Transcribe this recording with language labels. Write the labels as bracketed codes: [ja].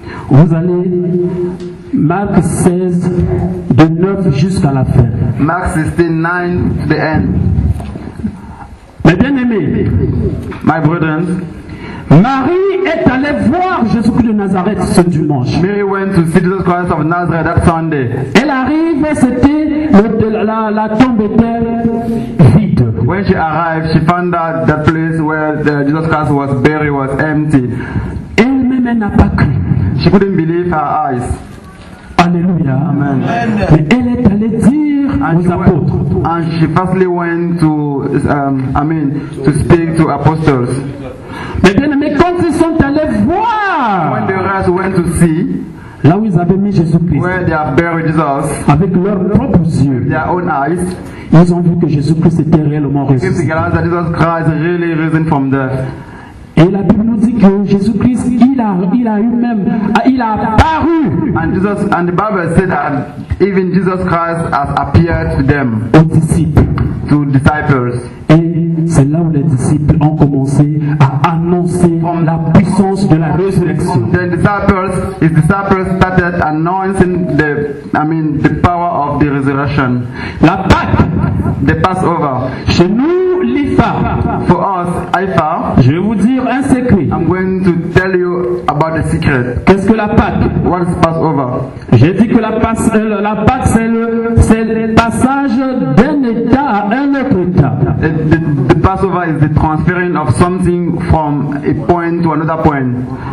[fr] vous allez Marc 16 de 9 jusqu'à la fin. [en] Mark 16, 9 to the end. [fr] Mes bien-aimés, [en] my brethren, [fr] Marie est allée voir Jésus-Christ de Nazareth ce dimanche. [en] Mary went to see Jesus Christ of Nazareth that Sunday. [fr] Elle arrive, c'était la tombe était vide. [en] When she arrived, she found that the place where the Jesus Christ was buried was empty. [fr] Elle-même n'a pas cru. [en] She couldn't believe her eyes. Alléluia. Amen. [fr] Mais elle est allée dire [en] and [fr] aux apôtres. [en] And she firstly went to, to speak to apostles. [fr] Mais bien aimé, quand ils sont allés voir. [en] When the rest went to see. [fr] Là où ils avaient mis Jésus-Christ. [en] Where they have buried Jesus. [fr] Avec leurs propres yeux. [en] Their own eyes. [fr] Ils ont vu que Jésus-Christ était réellement ressuscité. [en] They realized that Jesus Christ really risen from death. [fr] Et la Bible nous dit que Jésus-Christ, il a apparu. [en] And the Bible said that even Jesus Christ has appeared to them. [fr] Aux disciples. [en] To disciples. [fr] Et c'est là où les disciples ont commencé à annoncer la puissance de la résurrection. [en] The disciples, his disciples started announcing the power of the resurrection. [fr] La Pâque. [en] The Passover. [fr] Chez nous, l'IFA. [en] For us, IFA. [fr] Je vais vous dire un secret. [en] I'm going to tell you about the secret. [fr] Qu'est-ce que la Pâque? [en] What is Passover? [fr] J'ai dit que la Pâque c'est le passage d'un état à un autre état. [en] The Passover is the transferring of something from a point to another point.